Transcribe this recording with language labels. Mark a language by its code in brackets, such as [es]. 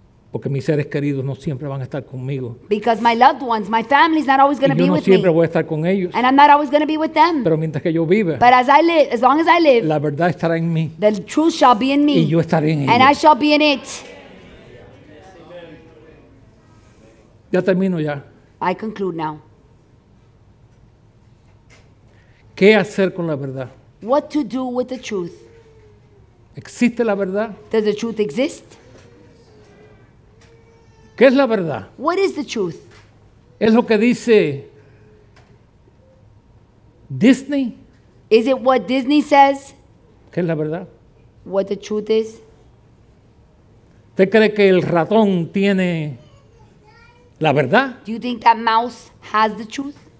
[es] Porque mis seres queridos no siempre van a estar conmigo. [en] Because my loved ones, my family is not always going to be with me. [es] Yo no siempre voy a estar con ellos. [en] And I'm not always going to be with them. [es] Pero mientras que yo viva. [en] But as I live, as long as I live. [es] La verdad estará en mí. [en] The truth shall be in me. [es] Y yo estaré en ella. [en] And I shall be in it. [es] Ya termino ya. [en] I conclude now. [es] ¿Qué hacer con la verdad? [en] What to do with the truth? [es] ¿Existe la verdad? [en] Does the truth exist? [es] ¿Qué es la verdad? [en] What is the truth? [es] ¿Es lo que dice Disney? [en] Is it what Disney says? [es] ¿Qué es la verdad? [en] What the truth is? [es] ¿Usted cree que el ratón tiene la verdad? [en] Do you think that mouse has the truth?